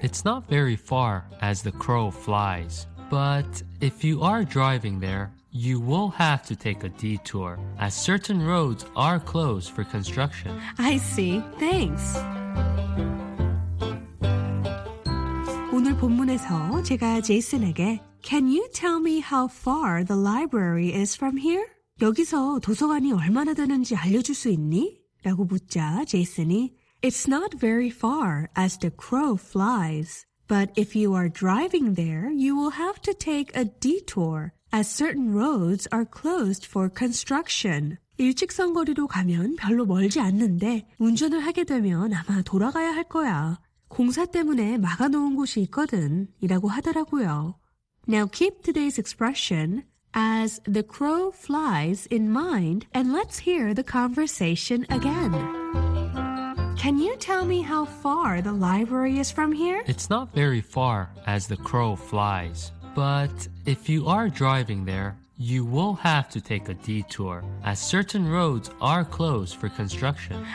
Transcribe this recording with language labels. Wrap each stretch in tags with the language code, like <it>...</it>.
<en>It's not very far, as the crow flies. But if you are driving there, you will have to take a detour, as certain roads are closed for construction. I see. Thanks.</en> <ko>오늘 본문에서 제가 제이슨에게</ko> <en>Can you tell me how far the library is from here?</en> <ko>여기서 도서관이 얼마나 되는지 알려줄 수 있니? 라고 묻자 제이슨이</ko> <en>It's not very far as the crow flies. But if you are driving there, you will have to take a detour as certain roads are closed for construction.</en> <ko>일직선 거리로 가면 별로 멀지 않는데 운전을 하게 되면 아마 돌아가야 할 거야. 공사 때문에 막아놓은 곳이 있거든, 이라고 하더라고요.</ko> <en>Now keep today's expression, as the crow flies, in mind, and let's hear the conversation again. Can you tell me how far the library is from here? It's not very far, as the crow flies. But if you are driving there, you will have to take a detour, as certain roads are closed for construction.</en>